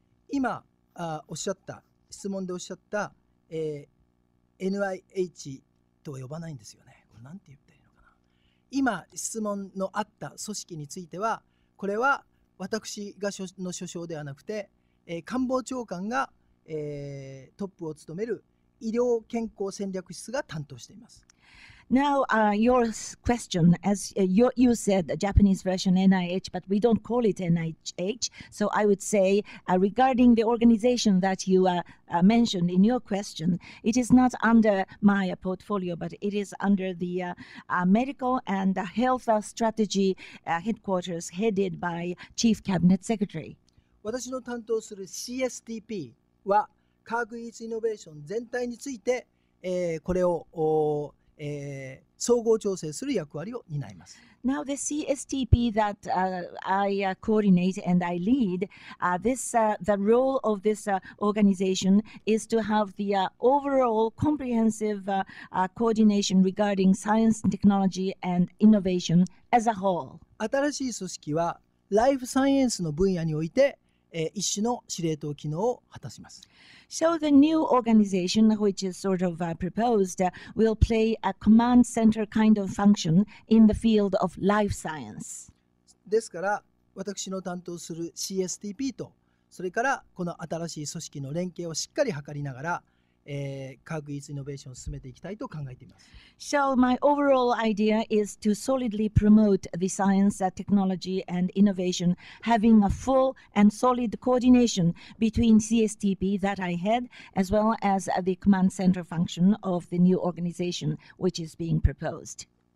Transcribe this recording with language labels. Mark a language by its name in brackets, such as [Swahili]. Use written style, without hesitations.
[Japanese] 今、質問でおっしゃった、NIH とは呼ばないんですよね。これなんて言ったらいいのかな。今、質問のあった組織については、これは私がの所掌ではなくて、官房長官が、トップを務める医療健康戦略室が担当しています。 [English] Now, your question, as you said, the Japanese version NIH, but we don't call it NIH, so I would say, regarding the organization that you mentioned in your question, it is not under my portfolio, but it is under the medical and health strategy headquarters headed by Chief Cabinet Secretary. [Japanese] 私の担当する CSTP は科学技術イノベーション全体について、これを総合調整する役割を担います。 [English] Now the CSTP that I coordinate and I lead, the role of this organization is to have the overall comprehensive coordination regarding science, technology and innovation as a whole. [Japanese] 新しい組織はライフサイエンスの分野において、一種の司令塔機能を果たします。 [English] So the new organization, which is sort of proposed, will play a command center kind of function in the field of life science. [Japanese] ですから、私の担当する CSTP と、それからこの新しい組織の連携をしっかり図りながら、科学技術イノベーションを進めていきたいと考えています。 [English] So my overall idea is to solidly promote the science, technology and innovation, having a full and solid coordination between CSTP that I head, as well as the command center function of the new organization which is being proposed.